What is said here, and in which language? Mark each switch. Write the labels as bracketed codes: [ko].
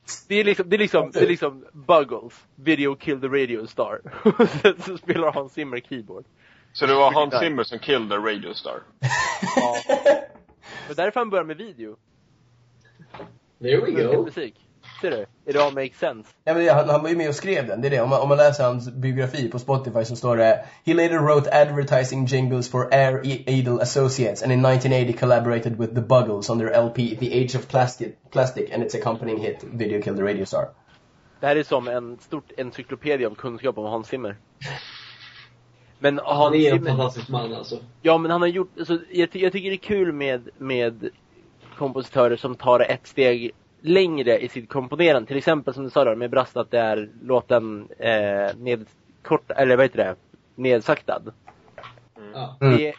[sv] Det är liksom Buggles Video Killed the Radio Star. Så spelar Hans Zimmer keyboard. Så det var Hans Zimmer som killed the Radio Star. Ja. Men därför han börjar med video. [en] There we go. [sv] Musik. Ser du? [en] It all makes sense. [sv] Ja, men han var ju med och skrev den. Det är det. Om man läser hans biografi på Spotify så står det: [en] he later wrote advertising jingles for Air Edel Associates and in 1980 collaborated with the Buggles on their LP The Age of Plastic and its accompanying hit Video Killed the Radio Star. [sv] Det här är som en stort encyklopedia av kunskap om Hans Zimmer. Men han är en fantastisk man alltså. Ja, men han har gjort så alltså, jag tycker det är kul med kompositörer som tar ett steg längre i sitt komponerande. Till exempel som du sa då, med Brast, att det är låten nedkort, eller vad heter det, nedsaktad. Mm.